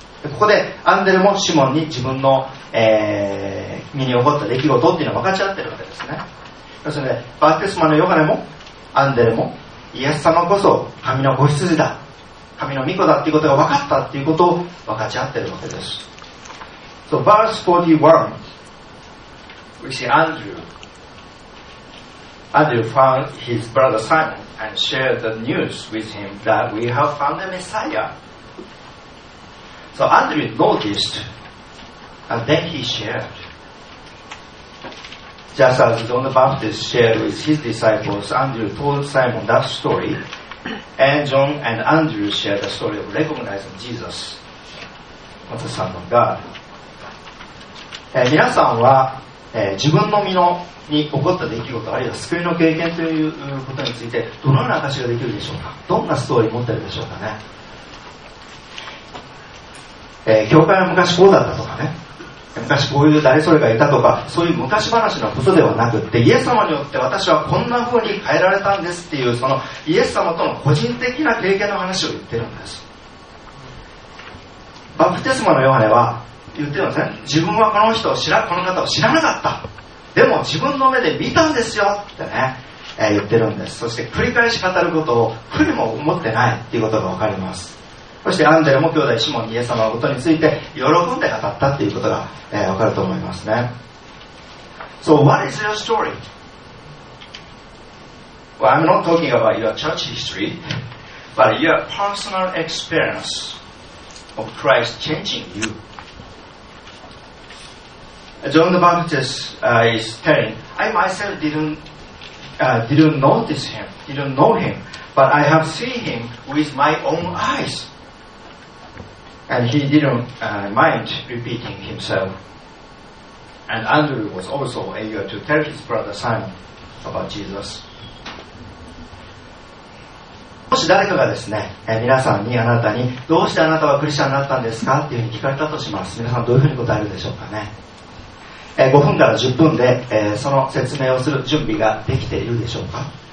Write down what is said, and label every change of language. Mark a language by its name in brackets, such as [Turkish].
[Japanese] ここでアンデレもシモンに自分の、身に起こった出来事っていうのを分かち合ってるわけですね。要するにバプテスマのヨハネもアンデレもイエス様こそ神の子羊だ、神の御子だっていうことが分かったっていうことを分かち合ってるわけです。 [English] So verse 41 We see Andrew found his brother Simon and shared the news with him that we have found the Messiah So Andrew noticed, and then he shared. Just as John the Baptist shared with his disciples, Andrew told Simon that story, and John and Andrew shared the story of recognizing Jesus as the Son of God. [Japanese] 皆さんは、自分の身のに起こった出来事、あるいは救いの経験ということについて、どのような証ができるでしょうか。どんなストーリーを持っているでしょうかね。教会は昔こうだったとかね、昔こういう誰それがいたとか、そういう昔話のことではなくって、イエス様によって私はこんな風に変えられたんですっていう、そのイエス様との個人的な経験の話を言ってるんです。バプテスマのヨハネは言ってるんですね。自分はこの方を知らなかった、でも自分の目で見たんですよってね、言ってるんです。そして繰り返し語ることを不利も思ってないっていうことが分かります。そしてアンデレも兄弟シモンにイエス様のことについて喜んで語ったっていうことが、分かると思いますね。 [English] So what is your story? Well, I'm not talking about your church history but your personal experience of Christ changing you. John the Baptist is telling, I myself didn't notice him, didn't know him, but I have seen him with my own eyes. And he didn't mind repeating himself. And Andrew was also eager to tell his brother Simon about Jesus. [Japanese] もし誰かがですね、皆さんにあなたにどうしてあなたはクリスチャンになったんですかっていうふうに聞かれたとします。皆さんどういうふうに答えるでしょうかね。5分から10分で、その説明をする準備ができているでしょうか。